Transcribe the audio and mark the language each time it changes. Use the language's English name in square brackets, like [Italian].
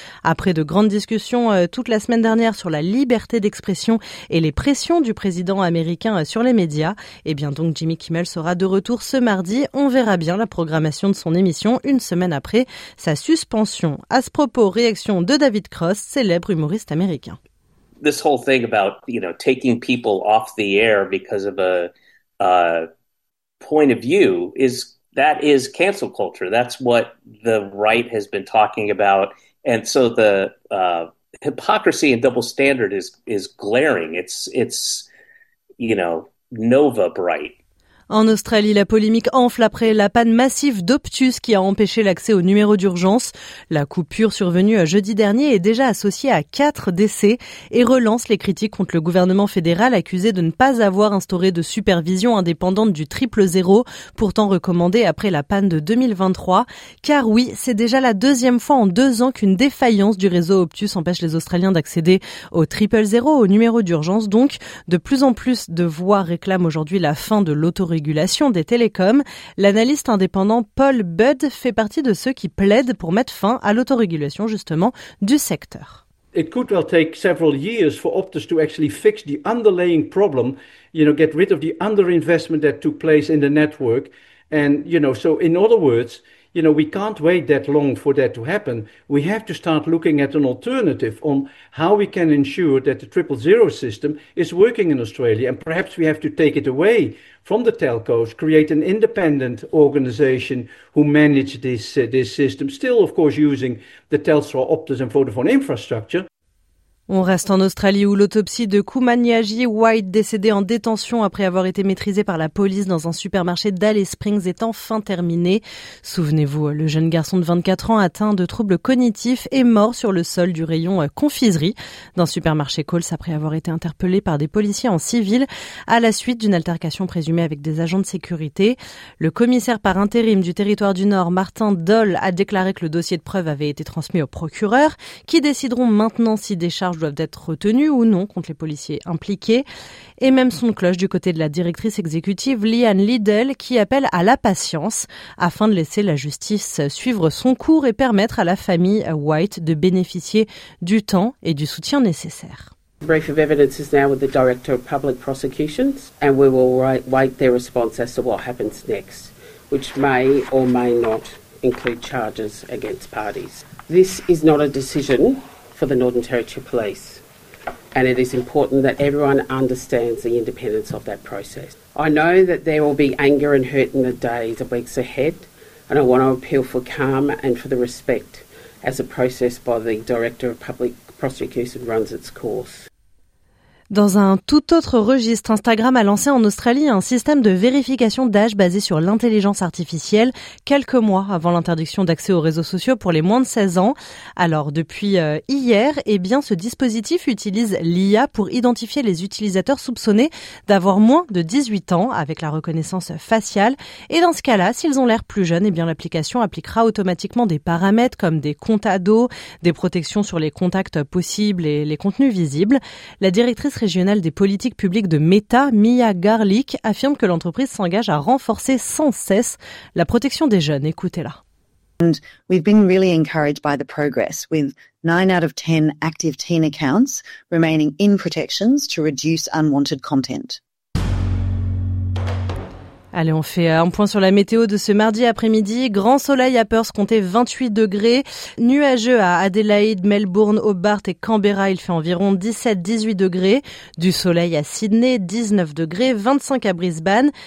[French] Après de grandes discussions toute la semaine dernière sur la liberté d'expression et les pressions du président américain sur les médias, eh bien donc Jimmy Kimmel sera de retour ce mardi. On verra bien la programmation de son émission une semaine après sa suspension. À ce propos, réaction de David Cross, célèbre humoriste américain. [English] This whole thing about, you know, taking people off the air because of a point of view is cancel culture. That's what the right has been talking about. And so the hypocrisy and double standard is glaring. It's you know, Nova Bright. [French] En Australie, la polémique enfle après la panne massive d'Optus qui a empêché l'accès au numéro d'urgence. La coupure survenue jeudi dernier est déjà associée à 4 décès et relance les critiques contre le gouvernement fédéral accusé de ne pas avoir instauré de supervision indépendante du 000, pourtant recommandée après la panne de 2023. Car oui, c'est déjà la deuxième fois en 2 ans qu'une défaillance du réseau Optus empêche les Australiens d'accéder au 000, au numéro d'urgence. Donc, de plus en plus de voix réclament aujourd'hui la fin de l'autorégulation des télécoms. L'analyste indépendant Paul Budd fait partie de ceux qui plaident pour mettre fin à l'autorégulation justement du secteur. [English] It could well take several years for Optus to actually fix the underlying problem, you know, get rid of the underinvestment that took place in the network. And, you know, so in other words, you know, we can't wait that long for that to happen. We have to start looking at an alternative on how we can ensure that the 000 system is working in Australia. And perhaps we have to take it away from the telcos, create an independent organization who manage this system, still, of course, using the Telstra, Optus and Vodafone infrastructure. [French] On reste en Australie où l'autopsie de Kumanyaji White, décédé en détention après avoir été maîtrisé par la police dans un supermarché d'Alice Springs, est enfin terminée. Souvenez-vous, le jeune garçon de 24 ans atteint de troubles cognitifs est mort sur le sol du rayon confiserie d'un supermarché Coles après avoir été interpellé par des policiers en civil à la suite d'une altercation présumée avec des agents de sécurité. Le commissaire par intérim du territoire du Nord, Martin Doll, a déclaré que le dossier de preuve avait été transmis aux procureurs qui décideront maintenant si des charges doivent être retenues ou non contre les policiers impliqués. Et même son cloche du côté de la directrice exécutive Leanne Liddell qui appelle à la patience afin de laisser la justice suivre son cours et permettre à la famille White de bénéficier du temps et du soutien nécessaire. [English] The brief of evidence is now with the Director of Public Prosecutions and we will wait their response as to what happens next, which may or may not include charges against parties. This is not a decision for the Northern Territory Police. and it is important that everyone understands the independence of that process. I know that there will be anger and hurt in the days and weeks ahead, and I want to appeal for calm and for the respect as the process by the Director of Public Prosecution runs its course. [French] Dans un tout autre registre, Instagram a lancé en Australie un système de vérification d'âge basé sur l'intelligence artificielle quelques mois avant l'interdiction d'accès aux réseaux sociaux pour les moins de 16 ans. Alors depuis hier, ce dispositif utilise l'IA pour identifier les utilisateurs soupçonnés d'avoir moins de 18 ans avec la reconnaissance faciale. Et dans ce cas-là, s'ils ont l'air plus jeunes, l'application appliquera automatiquement des paramètres comme des comptes ados, des protections sur les contacts possibles et les contenus visibles. La directrice régionale des politiques publiques de Meta, Mia Garlick, affirme que l'entreprise s'engage à renforcer sans cesse la protection des jeunes. Écoutez-la. [English] And we've been really encouraged by the progress, with 9 out of 10 active teen accounts remaining in protections to reduce unwanted content. [French] Allez, on fait un point sur la météo de ce mardi après-midi. Grand soleil à Perth, comptait 28 degrés. Nuageux à Adelaide, Melbourne, Hobart et Canberra, il fait environ 17-18 degrés. Du soleil à Sydney, 19 degrés, 25 à Brisbane.